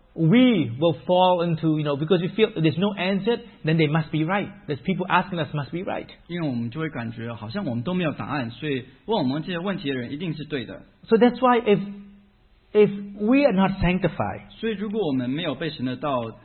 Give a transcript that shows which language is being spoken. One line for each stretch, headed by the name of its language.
English: we will fall into, you know, because we feel there's no answer, then they must be right. There's people asking us must be right.
Chinese: 因为我们就会感觉好像我们都没有答案, 所以问我们这些问题的人一定是对的。
English: So that's why if we are not sanctified,
Chinese: 所以如果我们没有被神的道,